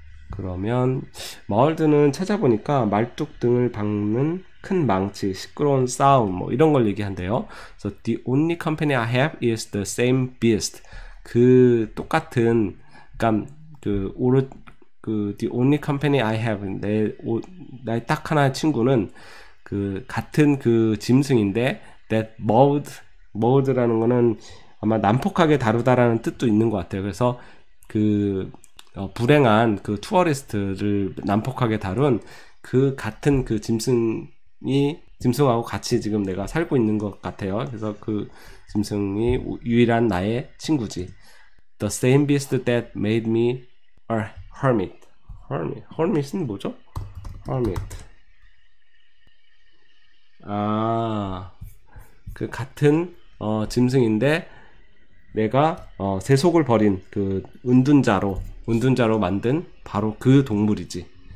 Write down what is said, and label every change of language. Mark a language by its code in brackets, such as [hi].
[ko] 그러면 mauled는 찾아보니까 말뚝 등을 박는 큰 망치, 시끄러운 싸움, 뭐 이런 걸 얘기한대요. [en] So the only company I have is the same beast. [ko] 그 똑같은, 그러니까 그 오르 그 [en] the only company I have [ko] 내오 나의 딱 하나의 친구는 그 같은 그 짐승인데 that mauled라는 거는 아마 난폭하게 다루다라는 뜻도 있는 것 같아요. 그래서 그 불행한 그 투어리스트를 난폭하게 다룬 그 같은 그 짐승 이 짐승하고 같이 지금 내가 살고 있는 것 같아요. 그래서 그 짐승이 유일한 나의 친구지. [en] The same beast that made me a hermit. [ko] Hermit은 뭐죠? Hermit. 아, 그 같은 짐승인데 내가 세속을 버린 그 은둔자로 만든 바로 그 동물이지.